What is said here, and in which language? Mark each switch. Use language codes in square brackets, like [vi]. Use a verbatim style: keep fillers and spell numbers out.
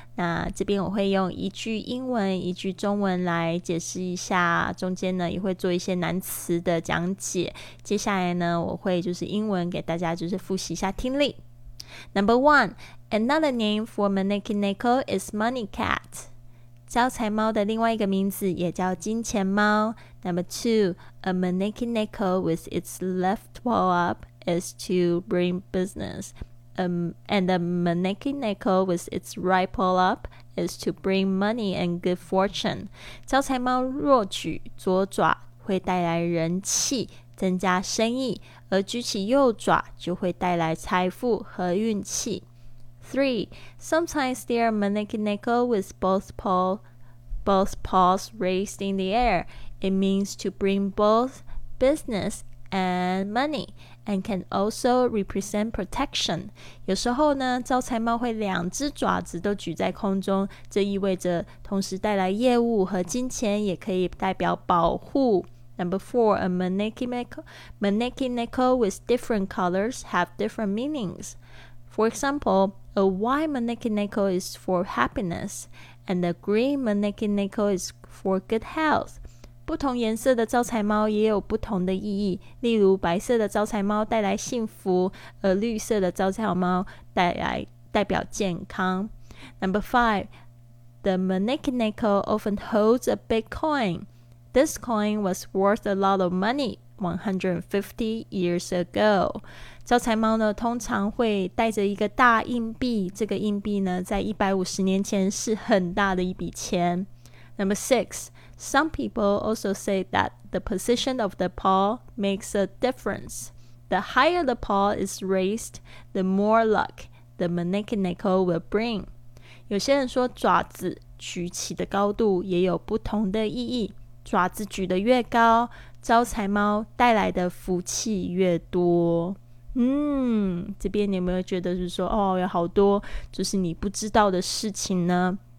[zh] 那这边我会用一句英文一句中文来解释一下，中间呢也会做一些难词的讲解。接下来呢，我会就是英文给大家就是复习一下听力。 [en] Number one, another name for Maneki Neko is Money Cat。 [zh] 招财猫的另外一个名字也叫金钱猫。 [en] Number two, a Maneki Neko with its left paw up is to bring business. Um, and a Maneki Neko with its right paw up is to bring money and good fortune. [zh] 招财猫若举左爪会带来人气，增加生意，而举起右爪就会带来财富和运气。 [en] Three, sometimes there are Maneki Neko with both paw, both paws raised in the air. It means to bring both business and money, and can also represent protection. [zh] 有时候呢，招财猫会两只爪子都举在空中，这意味着同时带来业务和金钱，也可以代表保护。 [en] Number four, a Maneki Neko, Maneki Neko with different colors have different meanings. For example, a white Maneki Neko is for happiness, and a green Maneki Neko is for good health. [zh] 不同颜色的招财猫也有不同的意义，例如白色的招财猫带来幸福，而绿色的招财猫带来代表健康。 [en] Number five, the Maneki Neko often holds a big coin. This coin was worth a lot of money one hundred fifty years ago. [zh] 招财猫呢，通常会带着一个大硬币，这个硬币呢，在一百五十年前是很大的一笔钱。 Number six, some people also say that the position of the paw makes a difference. The higher the paw is raised, the more luck the Maneki Neko will bring. 有些人说爪子举起的高度也有不同的意义。爪子举得越高，招财猫带来的福气越多。嗯，这边你有没有觉得是说，哦，有好多就是你不知道的事情呢？